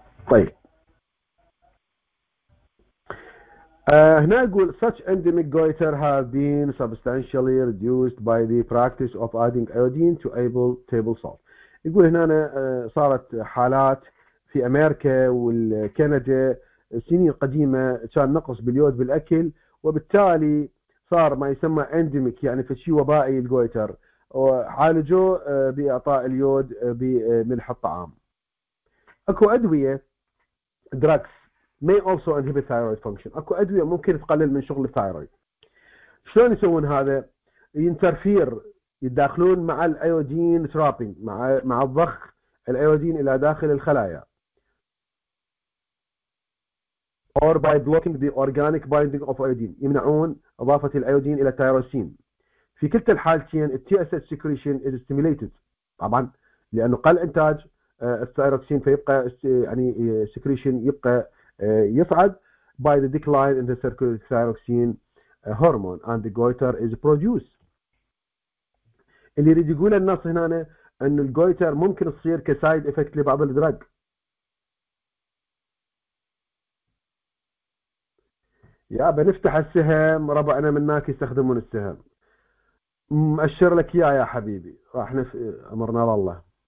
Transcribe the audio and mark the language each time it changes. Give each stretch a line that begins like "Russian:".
Arabic: طيب هنا يقول
English: such endemic goiter have been substantially reduced by the practice of adding iodine to table salt.
Arabic: يقول هنا صارت حالات في أمريكا والكندا السنين القديمة كان نقص باليود بالأكل، وبالتالي صار ما يسمى endemic، يعني في شيء وبائي الجويتر، وعالجوه بإعطاء اليود بملح الطعام. أكو أدوية
English: drugs may also inhibit thyroid function.
Arabic: أكو أدوية ممكن تقلل من شغل الثايرويد. شلون يسوون هذا؟ ينترفير، يدخلون مع الأيودين ترابينج، مع الضخ الأيودين إلى داخل الخلايا.
English: Or by blocking the organic binding of iodine،
Arabic: يمنعون إضافة الأيودين إلى التيروسين. في كلتا الحالتين الـ
English: TSH secretion is stimulated،
Arabic: طبعا لأنه قل إنتاج الثيروكسين، فيبقى يعني
English: secretion
Arabic: يبقى يصعد
English: by the decline in the circulating thyroxine hormone and the goiter is produced.
Arabic: اللي يريد يقول النص هنا أن الجويتر ممكن تصير كسايد إفكت لبعض الدرج. يا بنفتح السهم، ربعنا من هناك يستخدمون السهم، مؤشر لك اياه يا حبيبي، راح امرنا الله.